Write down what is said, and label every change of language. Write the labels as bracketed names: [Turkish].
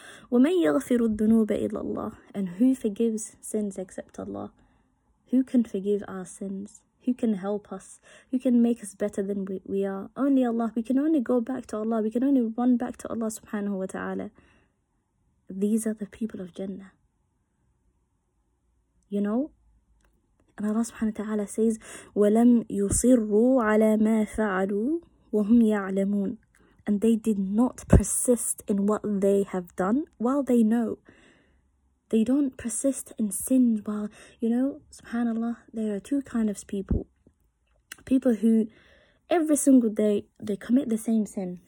[Arabic] وَمَنْ يَغْفِرُ الدُّنُوبَ إِلَّا اللَّهِ, [English] and who forgives sins except Allah? Who can forgive our sins? Who can help us? Who can make us better than we are? Only Allah. We can only go back to Allah. We can only run back to Allah subhanahu wa ta'ala. These are the people of Jannah. You know? And Allah subhanahu wa ta'ala says, [Arabic] وَلَمْ يُصِرُّوا عَلَى مَا فَعَلُوا وَهُمْ يَعْلَمُونَ. [English] And they did not persist in what they have done while they know. They don't persist in sin while, you know, subhanAllah, there are two kinds of people. People who, every single day, they commit the same sin.